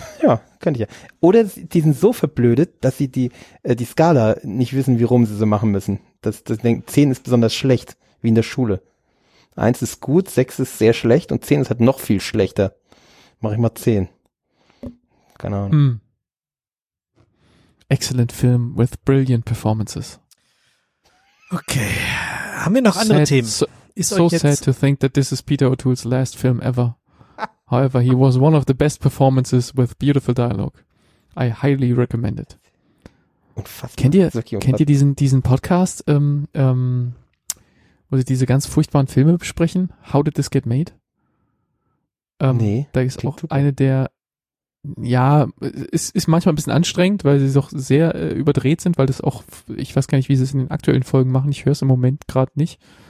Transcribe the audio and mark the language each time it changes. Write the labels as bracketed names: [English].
[German] Ja, könnte ich ja. Oder die sind so verblödet, dass sie die Skala nicht wissen, wie rum sie so machen müssen. Das denkt, 10 ist besonders schlecht, wie in der Schule. 1 ist gut, 6 ist sehr schlecht und 10 ist halt noch viel schlechter. Mach ich mal 10. Keine Ahnung. Mm. [English] Excellent film with brilliant performances. [German] Okay. Haben wir noch andere [English] sad, [German] Themen? [English] So, [German] ist [English] so sad to think that this is Peter O'Toole's last film ever. However, he was one of the best performances with beautiful dialogue. I highly recommend it. [German] Unfassbar. Kennt ihr diesen Podcast, wo sie diese ganz furchtbaren Filme besprechen? [English] How Did This Get Made? [German] Nee. Da ist auch eine der, ja, ist manchmal ein bisschen anstrengend, weil sie doch sehr überdreht sind, weil das auch, ich weiß gar nicht, wie sie es in den aktuellen Folgen machen. Ich höre es im Moment gerade nicht.